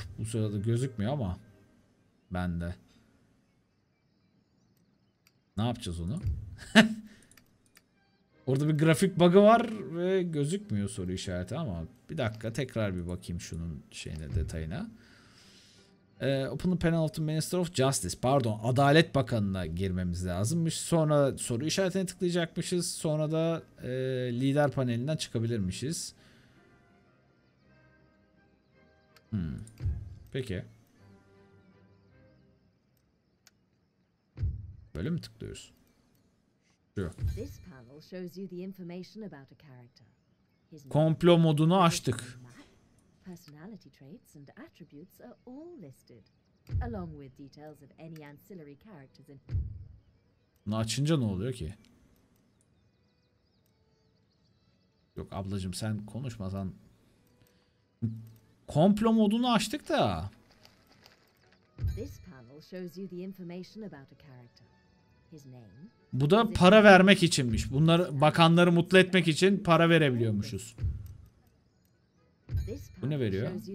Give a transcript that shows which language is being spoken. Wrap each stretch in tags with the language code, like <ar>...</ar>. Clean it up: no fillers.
<tr>Bu sırada gözükmüyor ama. Bende. Ne yapacağız onu? Orada bir grafik bug'ı var ve gözükmüyor soru işareti ama. Bir dakika, tekrar bir bakayım şunun şeyine, detayına.</tr> <en>Open the penalty minister of justice.</en> <tr>Pardon, Adalet Bakanı'na girmemiz lazımmış. Sonra soru işaretine tıklayacakmışız. Sonra da lider panelinden çıkabilirmişiz. Peki. Böyle mi tıklıyoruz?</tr> <en>This panel shows you the information about a character.</en> <tr>Komplo modunu açtık.</tr> <en>Personality traits and attributes are all listed, along with details of any ancillary characters.</en> <tr>Bunu açınca ne oluyor ki? Yok ablacığım, sen konuşmasan. Komplo modunu açtık da.</tr> <en>This panel shows you the information about a character. His name.</en> <tr>Bu da para vermek içinmiş. Bunları, bakanları mutlu etmek için para verebiliyormuşuz. Bu ne veriyor?</tr>